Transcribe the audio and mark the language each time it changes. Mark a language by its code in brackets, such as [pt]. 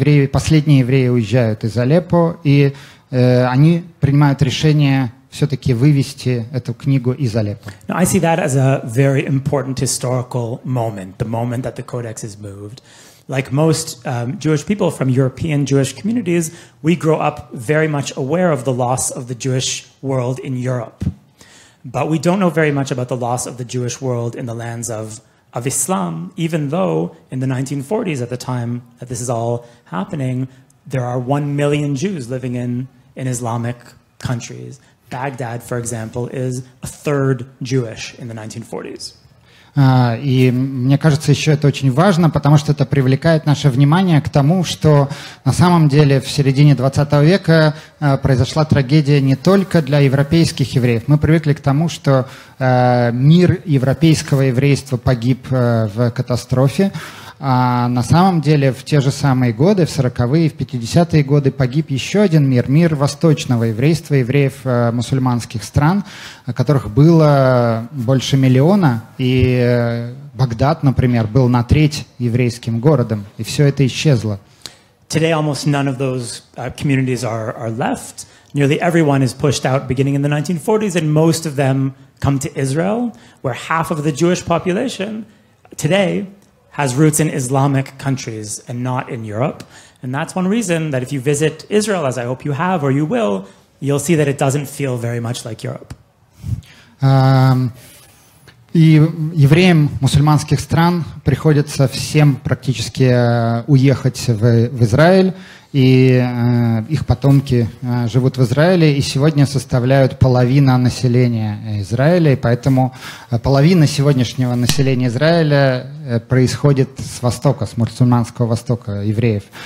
[ru] Последние евреи уезжают из Алеппо, и они принимают решение все-таки вывести эту книгу из Алеппо. [en] Now, I see that as a very important historical moment, the moment that the Codex is moved. Like most Jewish people from European Jewish communities, we grow up very much aware of the loss of the Jewish world in Europe. But we don't know very much about the loss of the Jewish world in the lands of Islam, even though in the 1940s, at the time that this is all happening, there are 1 million Jews living in Islamic countries. Baghdad, for example, is a third Jewish in the 1940s. [ru] И мне кажется, еще это очень важно, потому что это привлекает наше внимание к тому, что на самом деле в середине 20 века произошла трагедия не только для европейских евреев. Мы привыкли к тому, что мир европейского еврейства погиб в катастрофе. А на самом деле в те же самые годы, в 40-е, в 50-е годы погиб еще один мир, мир восточного еврейства, евреев мусульманских стран, которых было больше миллиона, и Багдад, например, был на треть еврейским городом, и все это исчезло. [en] Today almost none of those communities are left. Nearly everyone is pushed out beginning in the 1940s, and most of them come to Israel, where half of the Jewish population today has roots in Islamic countries and not in Europe. And that's one reason that if you visit Israel, as I hope you have, or you will, you'll see that it doesn't feel very much like Europe. [ru] И евреям мусульманских стран приходится всем практически уехать в Израиль, и их потомки живут в Израиле, и сегодня составляют половина населения Израиля, и поэтому половина сегодняшнего населения Израиля происходит с востока, с мусульманского востока, евреев.